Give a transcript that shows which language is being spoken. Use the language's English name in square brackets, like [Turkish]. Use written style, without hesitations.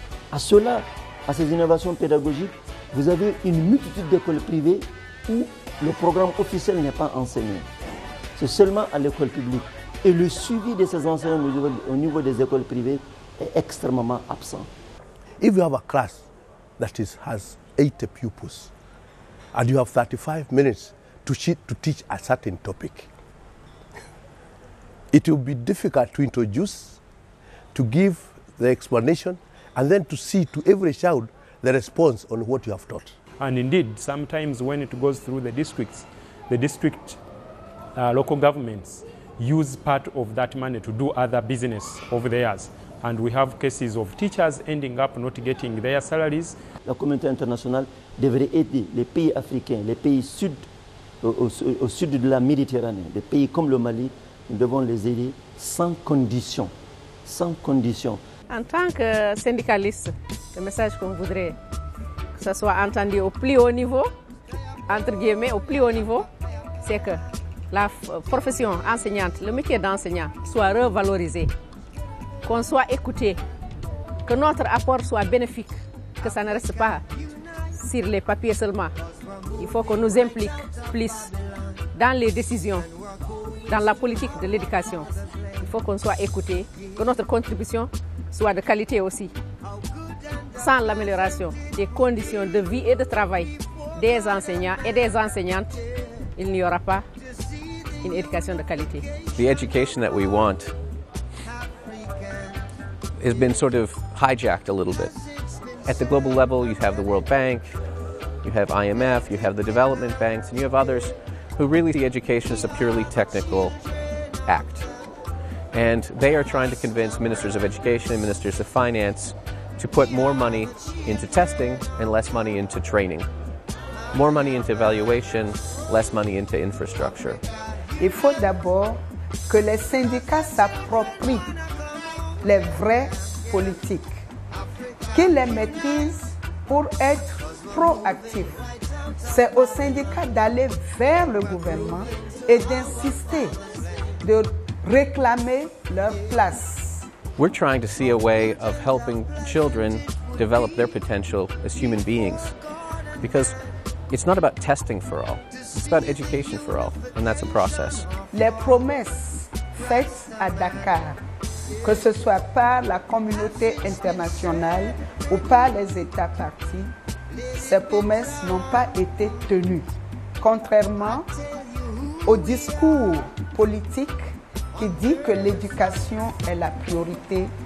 [French] À cela, à ces innovations pédagogiques, vous avez une multitude d'écoles privées où le programme officiel n'est pas enseigné. C'est seulement à l'école publique. Et le suivi de ces enseignants au niveau des écoles privées est extrêmement absent. [English] If you have a class that has 80 pupils and you have 35 minutes to teach a certain topic, it will be difficult to introduce, to give the explanation, and then to see to every child the response on what you have taught. And indeed, sometimes when it goes through the districts, the district local governments use part of that money to do other business over theirs. And we have cases of teachers ending up not getting their salaries. [French] La communauté internationale devrait aider les pays africains, les pays sud, au sud de la Méditerranée, des pays comme le Mali, nous devons les aider sans condition, sans condition. En tant que syndicaliste, le message qu'on voudrait que ça soit entendu au plus haut niveau, entre guillemets, au plus haut niveau, c'est que la profession enseignante, le métier d'enseignant soit revalorisé. qu'on soit écouté, que notre apport soit bénéfique, que ça ne reste pas sur les papiers seulement. Il faut qu'on nous implique plus dans les décisions, dans la politique de l'éducation. Il faut qu'on soit écouté, que notre contribution soit de qualité aussi. Sans l'amélioration des conditions de vie et de travail des enseignants et des enseignantes, il n'y aura pas une éducation de qualité. [English] The education that we want has been sort of hijacked a little bit. At the global level, you have the World Bank, you have IMF, you have the development banks, and you have others who really see education as a purely technical act. And they are trying to convince ministers of education and ministers of finance to put more money into testing and less money into training. More money into evaluation, less money into infrastructure. [French] Il faut d'abord que les syndicats s'approprient les vraies politiques, qu'ils les maîtrisent pour être proactifs. C'est aux syndicats d'aller vers le gouvernement et d'insister, de réclamer leur place. [English] We're trying to see a way of helping children develop their potential as human beings, because it's not about testing for all. It's about education for all, and that's a process. [French] Les promesses faites à Dakar, que ce soit par la communauté internationale ou par les États parties, ces promesses n'ont pas été tenues, contrairement au discours politique qui dit que l'éducation est la priorité.